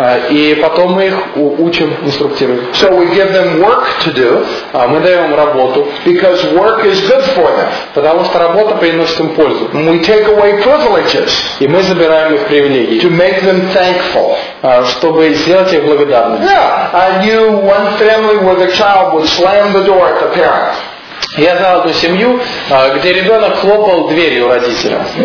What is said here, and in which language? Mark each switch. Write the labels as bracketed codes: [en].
[ru] И потом мы их учим, инструктируем. [en] So we give them work to do. [ru] Мы даем им работу. [en] Because work is good for them. [ru] Потому что работа приносит им пользу. [en] And we take away privileges. [ru] И мы забираем их привилегии. [en] To make them thankful. [ru] Чтобы сделать их благодарными. [en] Yeah, I knew one family where the child would slam the door at the parent. [ru] Я знал одну семью, где ребенок хлопал дверью родителя.